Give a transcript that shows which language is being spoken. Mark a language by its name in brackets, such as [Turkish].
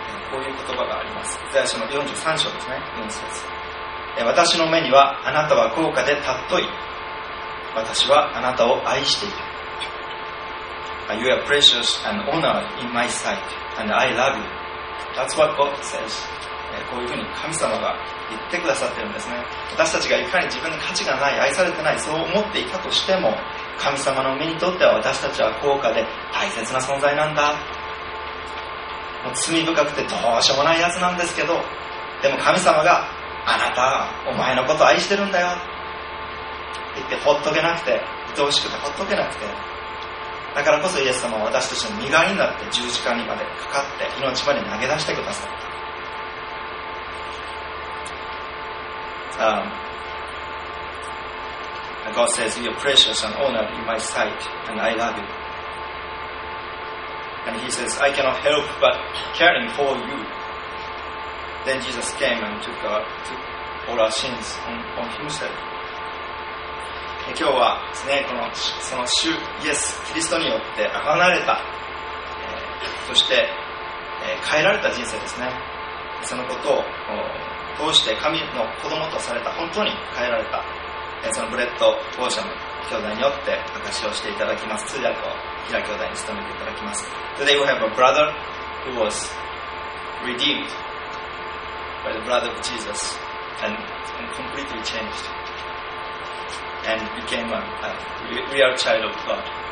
[Japanese] こういう言葉があります。イザヤ書の43章ですね。4節。私の目にはあなたは高価で尊い。私はあなたを愛している。 [English] You are precious and honored in my sight, and I love you. That's what God says. [Japanese] こういうふうに神様が言ってくださってるんですね。私たちがいかに自分に価値がない、愛されてない、そう思っていたとしても、神様の目にとっては私たちは高価で大切な存在なんだ。もう罪深くてどうしようもないやつなんですけど、でも神様が、あなた、お前のこと愛してるんだよ。って言って、ほっとけなくて、愛おしくてほっとけなくて。だからこそイエス様は私たちの身代わりになって十字架にまでかかって、命まで投げ出してくださった。 [English] God says, You're precious and honored in my sight, and I love you. And he says, I cannot help but caring for you. Then Jesus came and took all our sins on himself. [Japanese] 今日はですね、この、その主イエス・キリストによって贖われた、そして、変えられた人生ですね。そのことを通して神の子供とされた、本当に変えられた、そのブレッド・ポーション兄弟によって証しをしていただきます。通訳を平兄弟に務めていただきます。 [English] Today we have a brother who was redeemed by the blood of Jesus and completely changed and became a real child of God.